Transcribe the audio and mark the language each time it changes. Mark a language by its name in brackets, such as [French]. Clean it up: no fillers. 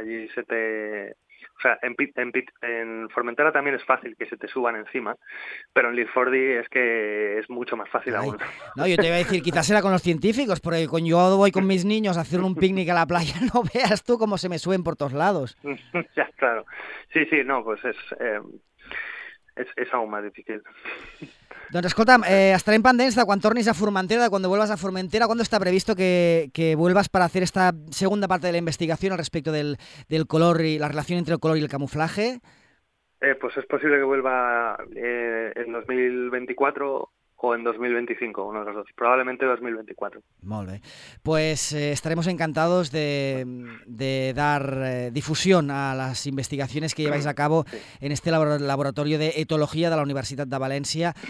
[Spanish] Allí se te. O sea, en Formentera también es fácil que se te suban encima, pero en Lilfordi es que es mucho más fácil Caray. aún. No, yo te iba a decir, quizás era con los científicos, porque cuando yo voy con mis niños a hacer un picnic a la playa, no veas tú cómo se me suben por todos lados. Ya, claro. Sí, no, pues es aún más difícil. [Catalan] Doncs escolta'm, estarem pendents de quan tornis a Formentera, [Spanish] quan vuelvas [Catalan] a Formentera, quan està previst que vuelvas per fer [Spanish] esta segunda [Catalan] part de la investigació al respecte del color i la relació entre el color i el camuflatge. [Spanish] Pues es posible que vuelva en 2024 o en 2025, uno de los dos. Probablemente 2024. [Catalan] Molt bé. [Spanish] Pues estaremos encantados de dar difusión a las investigaciones que lleváis a cabo en este laboratorio de etología de la Universitat de València.